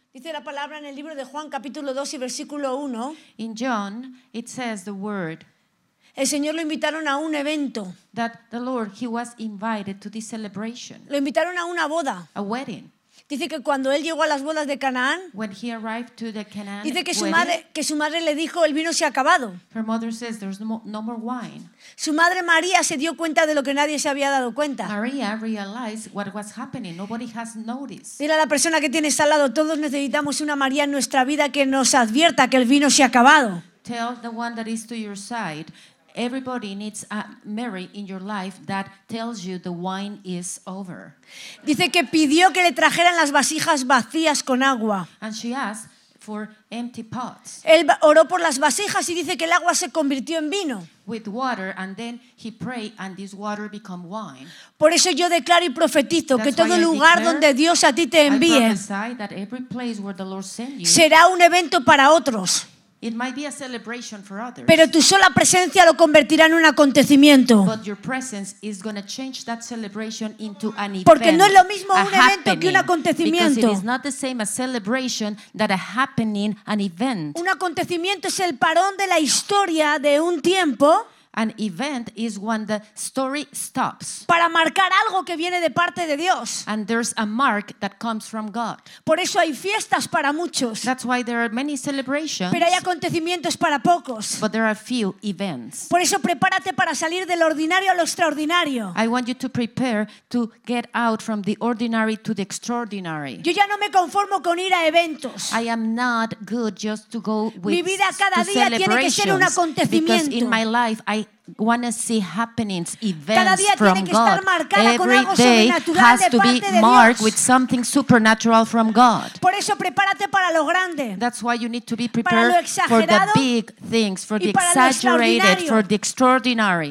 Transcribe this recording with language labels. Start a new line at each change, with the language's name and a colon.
Spanish: Dice la palabra en el libro de Juan, capítulo 2 y versículo 1.
English: In John, it says the word.
Spanish: El Señor lo invitaron a un evento.
English: That the Lord, he was invited to this celebration.
Spanish: Lo invitaron a una boda.
English: A wedding.
Spanish: Dice que cuando él llegó a las bodas de Canaán,
English: when he arrived to the Canaan,
Spanish: dice que su madre le dijo, el vino se ha acabado.
English: Her mother says, there's no more wine.
Spanish: Su madre María se dio cuenta de lo que nadie se había dado cuenta.
English: Maria realized what was happening. Nobody has noticed.
Spanish: Dile a la persona que tienes al lado, todos necesitamos una María en nuestra vida que nos advierta que el vino se ha acabado.
English: Tell the one that is to your side, everybody needs a Mary in your life that tells you the wine is over.
Spanish: Dice que pidió que le trajeran las vasijas vacías con agua.
English: And she asked for empty pots.
Spanish: Él oró por las vasijas y dice que el agua se convirtió en vino.
English: With water, and then he prayed, and this water became wine.
Spanish: Por eso yo declaro y profetizo.
English: That's
Spanish: que todo lugar donde Dios a ti te envíe,
English: that every place where the Lord sends you,
Spanish: será un evento para otros.
English: It might be a celebration for others.
Spanish: Pero tu sola presencia lo convertirá en un acontecimiento.
English: But your presence is going to change that celebration into an event.
Spanish: Porque no es lo mismo un evento que un acontecimiento.
English: Because it is not the same a celebration that a happening, an event.
Spanish: Un acontecimiento es el parón de la historia de un tiempo.
English: An event is when the story stops.
Spanish: Para marcar algo que viene de parte de Dios.
English: And there's a mark that comes from God.
Spanish: Por eso hay fiestas para muchos.
English: That's why there are many celebrations.
Spanish: Pero hay acontecimientos para pocos.
English: But there are few events.
Spanish: Por eso prepárate para salir del ordinario a lo extraordinario.
English: I want you to prepare to get out from the ordinary to the extraordinary.
Spanish: Yo ya no me conformo con ir a eventos.
English: I am not good just to go with.
Spanish: Mi vida cada día tiene que ser un acontecimiento.
English: Because in my life I want to see happenings, events.
Spanish: Cada día
English: from
Spanish: tiene que estar marcada
English: God. Every day has to be marked with something supernatural from God.
Spanish: Por eso prepárate para lo grande.
English: That's why you need to be prepared for the big things, for the exaggerated, for the extraordinary.